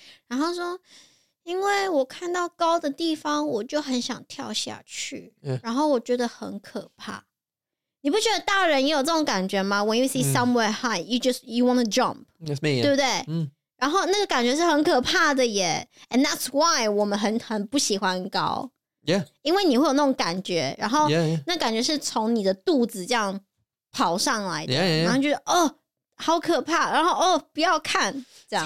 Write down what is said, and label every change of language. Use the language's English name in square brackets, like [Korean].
[Chinese] 然后说因为我看到高的地方我就很想跳下去、嗯、然后我觉得很可怕。你不觉得大人也有这种感觉吗？ [English] When you see somewhere high、嗯、you want to jump. That's me. [Chinese] 对不对、嗯、然后那个感觉是很可怕的耶。 [English] And that's why [Chinese] 我们很不喜欢高。 [English] Yeah. [Chinese] 因为你会有那种感觉，然后那感觉是从你的肚子这样跑上来的。 [English] yeah. [Chinese] 然后就觉得哦好可怕，然后哦不要看这样。